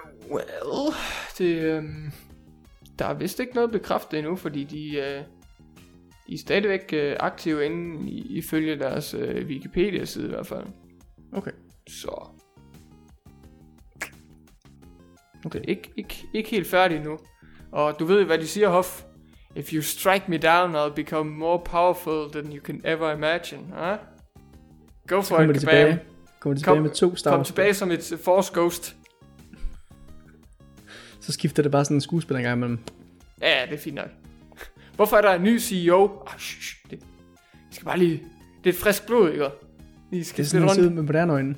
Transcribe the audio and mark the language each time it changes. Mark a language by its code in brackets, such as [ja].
[da] Well, det, der er vist ikke noget bekræftet endnu, fordi de er stadigvæk aktive inde ifølge deres Wikipedia-side i hvert fald. Okay. Så. Okay. Det er ikke helt færdigt nu. Og du ved hvad de siger, Hoff. [en] If you strike me down, I'll become more powerful than you can ever imagine. Huh? Go for it, kabam. [da] Kommer de tilbage med to Star Wars. Kom tilbage som et Force Ghost. Så skifter det bare sådan en skuespiller en gang imellem. Ja, det er fint nok. Hvorfor er der en ny CEO? Det skal bare lige... Det er et frisk blod, ikke? Skal det er sådan, at sidde med moderne øjne.